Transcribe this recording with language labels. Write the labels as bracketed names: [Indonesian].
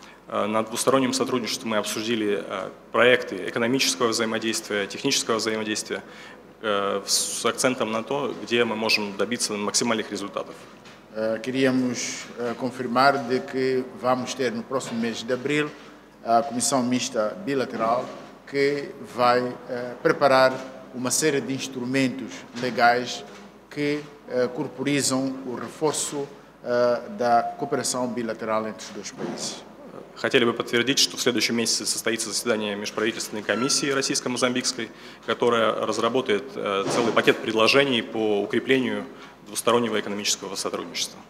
[Russian] На двустороннем сотрудничестве мы обсудили проекты экономического взаимодействия, технического взаимодействия с акцентом на то, где мы можем добиться максимальных результатов. [Portuguese] Queríamos confirmar de que vamos ter no próximo mês de abril a comissão mista bilateral que vai preparar uma série de instrumentos legais que corporizam o reforço da cooperação bilateral entre os dois países. [Russian] Хотели бы подтвердить, что в следующем месяце состоится заседание межправительственной комиссии российско-мозамбикской, которая разработает целый пакет предложений по укреплению двустороннего экономического сотрудничества.